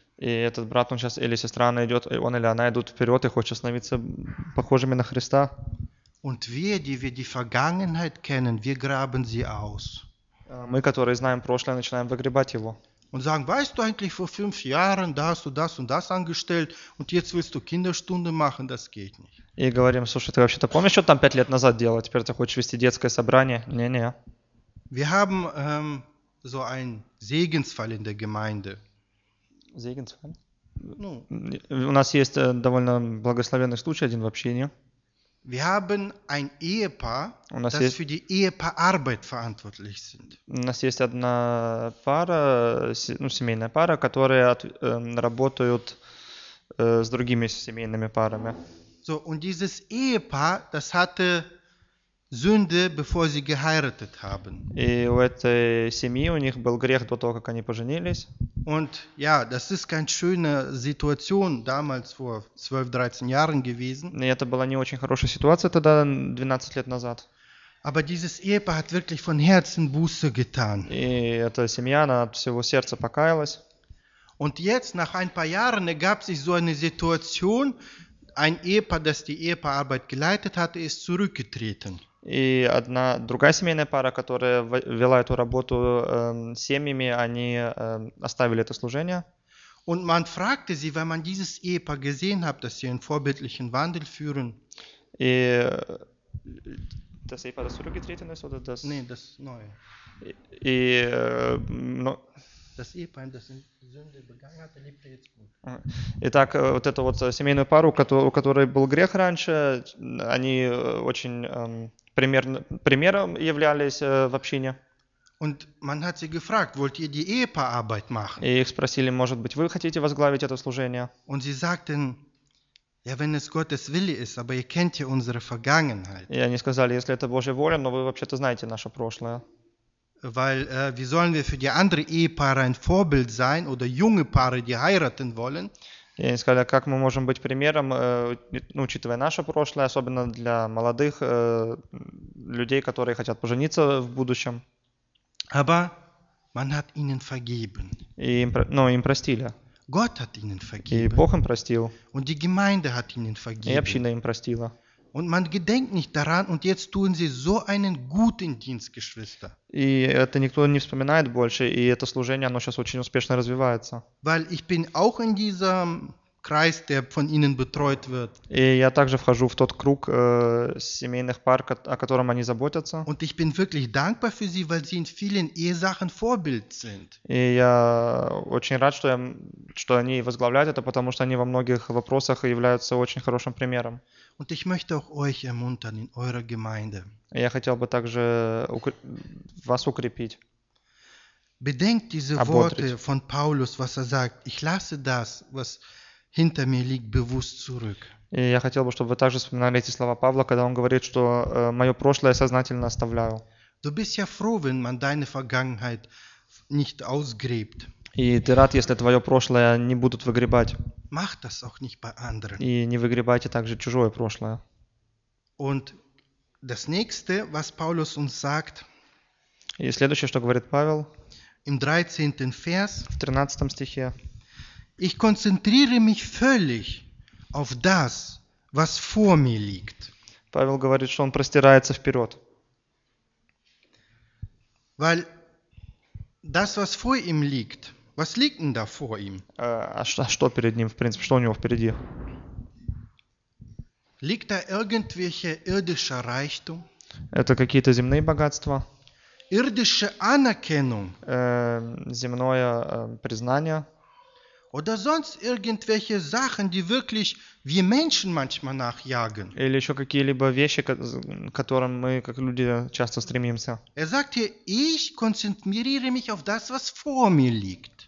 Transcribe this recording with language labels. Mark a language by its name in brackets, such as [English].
[Russian] И этот брат, он сейчас или сестра, он или она идут вперед и хочет становиться похожими на Христа. [German] Und wir, die wir die Vergangenheit kennen, wir graben sie aus. [Russian] Мы, которые знаем прошлое, начинаем выгребать его. [German] Und sagen, weißt du eigentlich, vor 5 Jahren, da hast du das und das angestellt und jetzt willst du Kinderstunde machen, das geht nicht. [Russian] И говорим, слушай, ты вообще-то помнишь, что там 5 лет назад делал, теперь ты хочешь вести детское собрание? Не-не. [German] Wir haben so einen Segensfall in der Gemeinde. Segensfall? [Russian] Ну, у нас есть довольно благословенный случай один в общине. [German] Wir haben ein Ehepaar, das für die Ehepaararbeit verantwortlich sind. [Russian] У нас есть одна пара, ну, семейная пара, которые работают с другими семейными парами. [German] So, und dieses Ehepaar, das hatte Sünde, bevor sie geheiratet haben. [Russian] И у этой семьи, у них был грех до того, как они поженились. [German] Und ja, das ist keine schöne Situation damals vor 12-13 Jahren gewesen. [Russian] И это была не очень хорошая ситуация тогда, 12 лет назад. [German] Aber dieses Ehepaar hat wirklich von Herzen Buße getan. [Russian] И эта семья, она от всего сердца покаялась. [German] Und jetzt, nach ein paar Jahren, ergab sich so eine Situation, ein Ehepaar, das die Ehepaararbeit geleitet hatte, ist zurückgetreten. [Russian] И одна другая семейная пара, которая вела эту работу семьями, они оставили это служение. [German] Und man fragte sie, weil man dieses Ehepaar gesehen hat, dass sie einen vorbildlichen Wandel führen. [Russian] И [German] das Ehepaar, das zurückgetreten ist, oder das? Nein, das neue. Das Ehepaar, das in Sünde begangen hat, lebt jetzt gut. [Russian] Итак, вот эту вот семейную пару, у которой был грех раньше, они очень примером являлись в общине. [German] Und man hat sie gefragt, wollt ihr die Ehepaararbeit machen? [Russian] И их спросили, может быть, вы хотите возглавить это служение? [German] Und sie sagten, ja, wenn es Gottes Wille ist, aber ihr kennt ja unsere Vergangenheit. [Russian] И они сказали, если это Божья воля, но вы вообще-то знаете наше прошлое. [German] Weil wie sollen wir für die andere Ehepaare ein Vorbild sein oder junge Paare, die heiraten wollen? [Russian] И они сказали, как мы можем быть примером, учитывая наше прошлое, особенно для молодых людей, которые хотят пожениться в будущем. [German] Aber man hat ihnen vergeben. [Russian] Им простили. [German] Gott hat ihnen vergeben. [Russian] И Бог им простил. [German] Und die Gemeinde hat ihnen vergeben. [Russian] И община им простила. [German] Und man gedenkt nicht daran und jetzt tun sie so einen guten Dienst, Geschwister. [Russian] И это никто не вспоминает больше, и это служение, оно сейчас очень успешно развивается. [German] Weil ich bin auch in diesem Kreis, der von ihnen betreut wird. [Russian] И я также вхожу в тот круг семейных пар, о котором они заботятся. [German] Und ich bin wirklich dankbar für sie, weil sie in vielen Ehesachen Vorbild sind. [Russian] И я очень рад, что они возглавляют это, потому что они во многих вопросах являются очень хорошим примером. [German] Und ich möchte auch euch ermuntern in eurer Gemeinde. [Russian] Я хотел бы также вас укрепить. [German] Bedenkt diese Worte von Paulus, was sagt: Ich lasse das, was hinter mir liegt, bewusst zurück. [Russian] И я хотел бы, чтобы вы также вспоминали эти слова Павла, когда он говорит, что мое прошлое сознательно оставляю. [German] Du bist ja froh, wenn man deine Vergangenheit nicht ausgräbt. [Russian] И ты рад, если твое прошлое не будут выгребать. [German] Mach das auch nicht bei anderen. [Russian] И не выгребайте также чужое прошлое. [German] Und das nächste, was Paulus uns sagt. [Russian] И следующее, что говорит Павел. [German] Im 13. Vers, [Russian] в 13 стихе. [German] Ich konzentriere mich völlig auf das, was vor mir liegt. [Russian] Павел говорит, что он простирается вперед. [German] Weil das, was vor ihm liegt, was liegt denn da vor ihm? [Russian] Что перед ним, в принципе, что у него впереди? [German] Liegt da irgendwelche irdische Reichtum? [Russian] Это какие-то земные богатства? [German] Irdische Anerkennung. [Russian] Земное признание. [German] Oder sonst irgendwelche Sachen, die wirklich wir Menschen manchmal nachjagen. [Russian] Или еще какие-либо вещи, к которым мы как люди часто стремимся. [German] Er sagt hier, ich konzentriere mich auf das, was vor mir liegt.